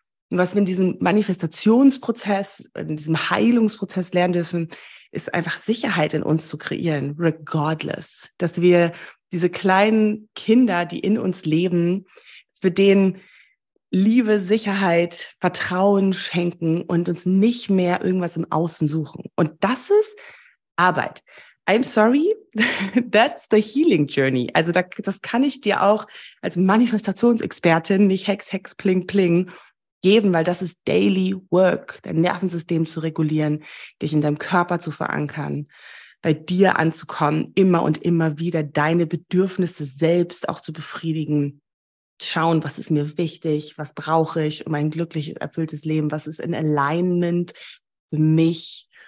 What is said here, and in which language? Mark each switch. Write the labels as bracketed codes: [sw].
[de] Und was wir in diesem Manifestationsprozess, in diesem Heilungsprozess lernen dürfen, ist einfach Sicherheit in uns zu kreieren, regardless. Dass wir diese kleinen Kinder, die in uns leben, dass wir denen Liebe, Sicherheit, Vertrauen schenken und uns nicht mehr irgendwas im Außen suchen. Und das ist Arbeit. [en] I'm sorry, that's the healing journey. [de] Also das kann ich dir auch als Manifestationsexpertin nicht hex, pling, pling geben, weil das ist [en] daily work, [de] dein Nervensystem zu regulieren, dich in deinem Körper zu verankern, bei dir anzukommen, immer und immer wieder deine Bedürfnisse selbst auch zu befriedigen, schauen, was ist mir wichtig, was brauche ich um ein glückliches, erfülltes Leben, was ist in Alignment für mich.